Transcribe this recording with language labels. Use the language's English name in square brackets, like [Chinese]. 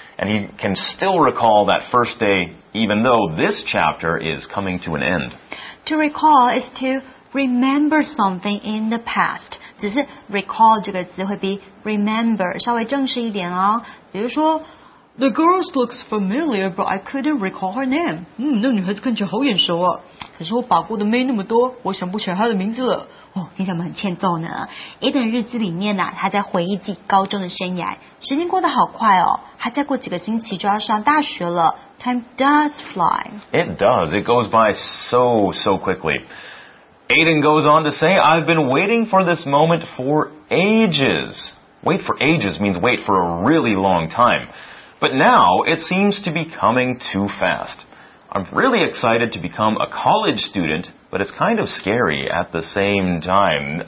[English] And he can still recall that first day, even though this chapter is coming to an end. To recall is to remember something in the past. [Chinese] 只是 recall 这个字会比 remember 稍微正式一点哦。比如说 [English] The girl looks familiar, but I couldn't recall her name. [Chinese] 那女孩子看起来好眼熟啊。可是我把过的妹那么多，我想不起来她的名字了。哦，听起来很欠揍呢。 Eden 日记里面呢、啊，他在回忆自己高中的生涯。时间过得好快哦，他再过几个星期就要上大学了。 [English] Time does fly. It does. It goes by so, so quickly. Eden goes on to say, I've been waiting for this moment for ages. Wait for ages means wait for a really long time. But now, it seems to be coming too fast. I'm really excited to become a college student, but it's kind of scary at the same time.